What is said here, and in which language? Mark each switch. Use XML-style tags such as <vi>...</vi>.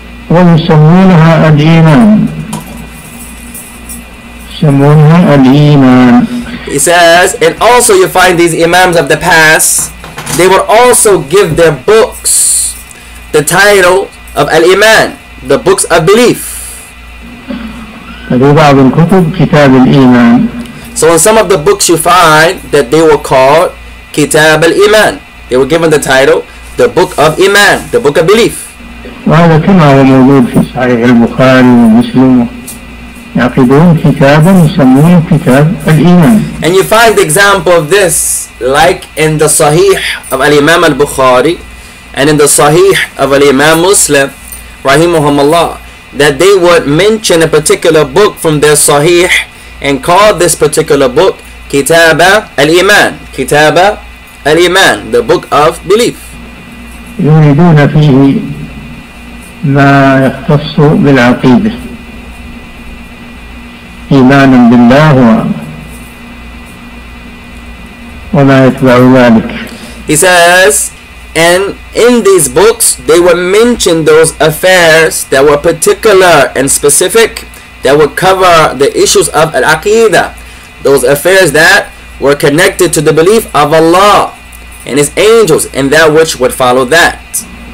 <ar>ويسمونها الإيمان. يسمونها الإيمان.</ar> <en>He says, and also you find these Imams of the past, they would also give their books the title of Al-Iman, the books of belief.</en> <ar>في بعض الكتب كتاب الإيمان.</ar> <en>So in some of the books you find that they were called Kitab al-Iman. They were given the title, the Book of Iman, the Book of Belief.</en> <ar>وهذا كما هو موجود في صحيح البخاري ومسلم. يعقدون كتابا يسمونه كتاب الإيمان.</ar> <en>And you find the example of this, like in the Sahih of Al-Imam al-Bukhari, and in the Sahih of Al-Imam Muslim,</en> <ar>رحمهم الله,</ar> <en>that they would mention a particular book from their Sahih, and called this particular book</en> <ar>كتاب الإيمان, كتاب الإيمان,</ar> <en>the book of belief.</en> <ar>يريدون فيه ما يختص بالعقيدة, إيمان بالله وما يتبع ذلك.</ar> <en>He says, and in these books they were mentioned those affairs that were particular and specific, that would cover the issues of al-aqidah, those affairs that were connected to the belief of Allah and His angels, and that which would follow that.</en>